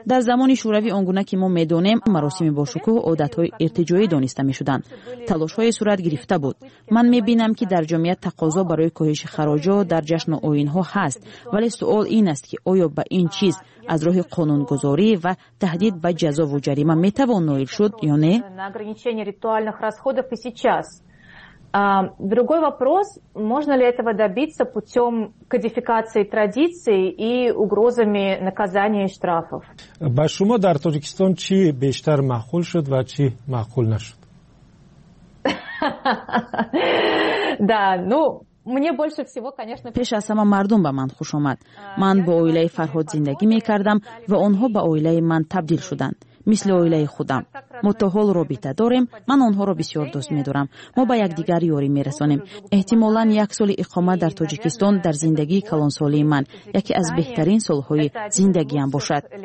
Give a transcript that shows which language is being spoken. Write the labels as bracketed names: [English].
[Tajik] Дар замони шӯравӣ он гуна ки мо медонем, маросими бошукӯҳ одатҳои иртиҷоӣ дониста мешуданд. Талошҳое сурат гирифта буд. Ман мебинам, ки дар ҷомеа тақозо барои коҳиши хароҷот дар ҷашну оинҳо ҳаст, вале суол ин аст, ки оё ба ин чиз аз роҳи қонунгузорӣ ва таҳдид ба ҷазову ҷарима метавон ноил шуд ё не? [Russian] Ограничение ритуальных расходов и сейчас. Другой вопрос, можно ли этого добиться путем кодификации традиций и угрозами наказания и штрафов? [Tajik] Ба шумо дар Тоҷикистон чи бештар маъқул шуд ва чи маъқул нашуд? [Russian] Да, ну, мне больше всего, конечно, [Tajik] пеш аз ҳама мардум ба ман хуш омад. Ман бо оилаи Фарҳод зиндагӣ мекардам ва онҳо ба оилаи ман табдил шуданд. Мисли оилаи худам. Мо то ҳол робита дорем, ман онҳоро бисёр дӯст медорам. Мо ба якдигар ёрӣ мерасонем. Эҳтимолан як соли иқомат дар Тоҷикистон дар зиндагии калонсолии ман яке аз беҳтарин солҳои зиндагиам бошад.